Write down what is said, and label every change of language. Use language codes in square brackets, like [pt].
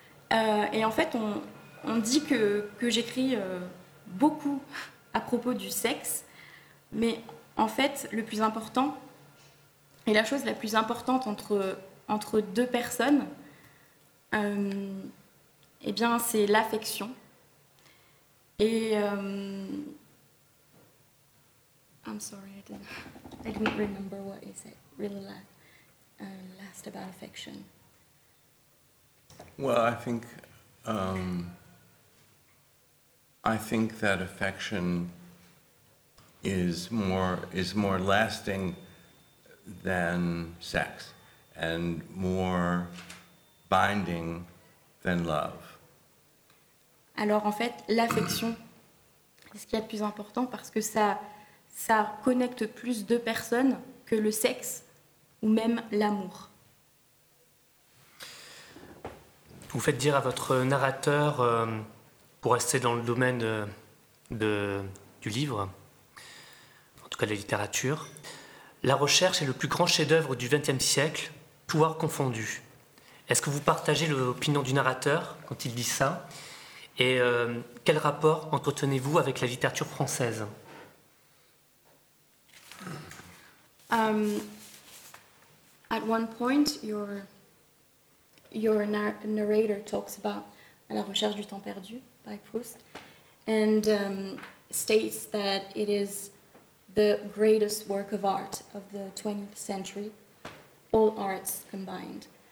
[fr] Et en fait, on dit que j'écris beaucoup à propos du sexe, mais en fait, le plus important, et la chose la plus importante entre deux personnes, eh bien, c'est l'affection. [en] I'm sorry, I didn't remember what you said really last about affection. Well, I think that affection is more lasting than sex, and more binding than love. [fr] Alors en fait, l'affection, c'est ce qu'il y a de plus important parce que ça connecte plus de personnes que le sexe ou même l'amour. Vous faites dire à votre narrateur, pour rester dans le domaine du livre, en tout cas de la littérature, la recherche est le plus grand chef-d'œuvre du XXe siècle, pouvoir confondu. Est-ce que vous partagez l'opinion du narrateur quand il dit ça? Et quel rapport entretenez-vous avec la littérature française? [en] At one point, your narrator talks about La recherche du temps perdu by Proust, and states that it is the greatest work of art of the 20th century, all arts combined.